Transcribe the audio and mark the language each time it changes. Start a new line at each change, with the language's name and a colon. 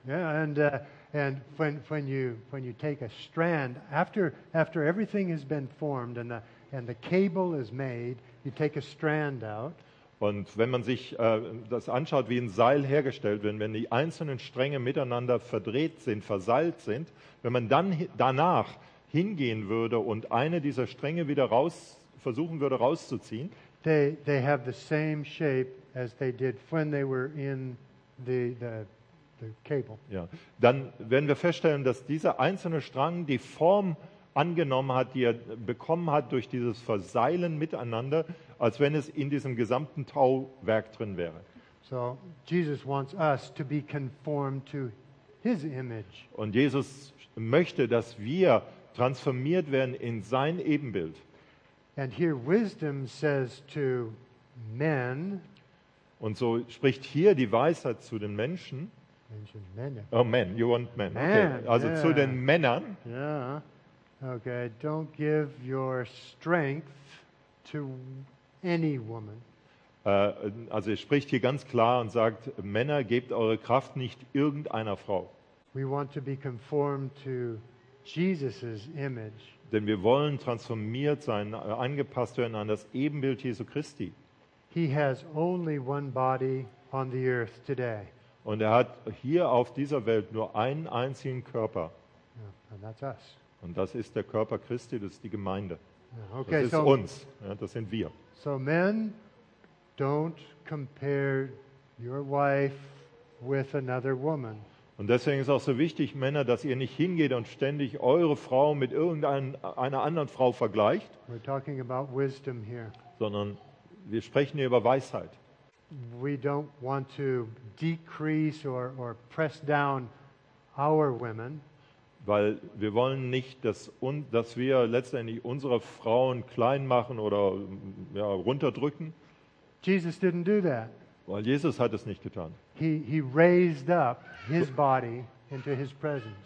English: Yeah, and when you take a strand after everything has been formed and the cable is made, you take a strand out.
German: Und wenn man sich das anschaut, wie ein Seil hergestellt wird, wenn die einzelnen Stränge miteinander verdreht sind, verseilt sind, wenn man dann danach hingehen würde und eine dieser Stränge wieder versuchen würde rauszuziehen,
English: they have the same shape as they did when they were in the cable.
German: Ja, dann werden wir feststellen, dass dieser einzelne Strang die Form angenommen hat, die er bekommen hat durch dieses Verseilen miteinander, als wenn es in diesem gesamten Tauwerk drin wäre.
English: So, Jesus wants us to be conformed to his image.
German: Und Jesus möchte, dass wir transformiert werden in sein Ebenbild.
English: And here wisdom says to men,
German: und so spricht hier die Weisheit zu den Menschen.
English: Men.
German: Zu den Männern.
English: Yeah. Okay, don't give your strength to any woman.
German: Also er spricht hier ganz klar und sagt, Männer, gebt eure Kraft nicht irgendeiner Frau.
English: We want to be conformed to Jesus's image.
German: Denn wir wollen transformiert sein, angepasst werden an das Ebenbild Jesu Christi.
English: He has only one body on the earth today.
German: Und er hat hier auf dieser Welt nur einen einzigen Körper.
English: Yeah, and that's us.
German: Und das ist der Körper Christi, das ist die Gemeinde.
English: Okay,
German: das ist so, uns, ja, das sind wir.
English: So men, don't compare your wife with another woman.
German: Und deswegen ist auch so wichtig, Männer, dass ihr nicht hingeht und ständig eure Frau mit irgendeiner anderen Frau vergleicht.
English: We're talking about wisdom here.
German: Sondern wir sprechen hier über Weisheit.
English: We don't want to decrease or press down our women.
German: Weil wir wollen nicht, dass wir letztendlich unsere Frauen klein machen oder ja, runterdrücken.
English: Jesus didn't do that.
German: Weil Jesus hat es nicht getan.
English: He raised up his body into his presence.